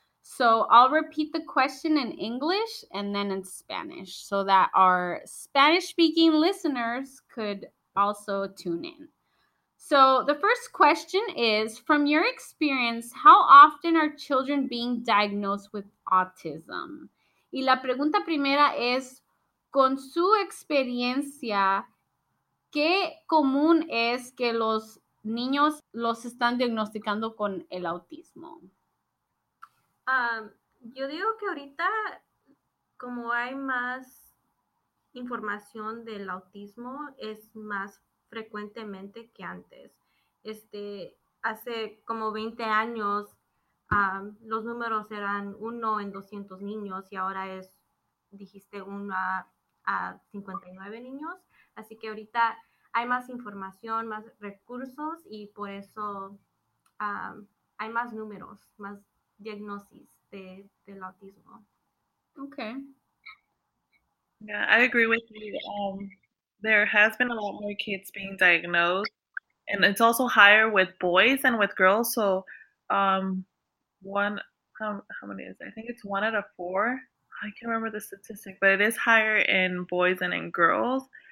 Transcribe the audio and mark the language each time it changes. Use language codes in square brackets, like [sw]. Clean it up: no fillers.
[en] So I'll repeat the question in English and then in Spanish so that our Spanish-speaking listeners could also tune in. So the first question is, from your experience, how often are children being diagnosed with autism? [es] Y la pregunta primera es, con su experiencia, ¿qué común es que los niños los están diagnosticando con el autismo? Yo digo que ahorita, como hay más información del autismo, es más frecuentemente que antes. Hace como 20 años, los números eran 1 en 200 niños y ahora es, dijiste, 1 a 59 niños. Así que ahorita hay más información, más recursos y por eso hay más números, más diagnosis del autismo. [en] Okay. Yeah, I agree with you. There has been a lot more kids being diagnosed, and it's also higher with boys than with girls. So how many is it? I think it's 1 out of 4. I can't remember the statistic, but it is higher in boys than in girls.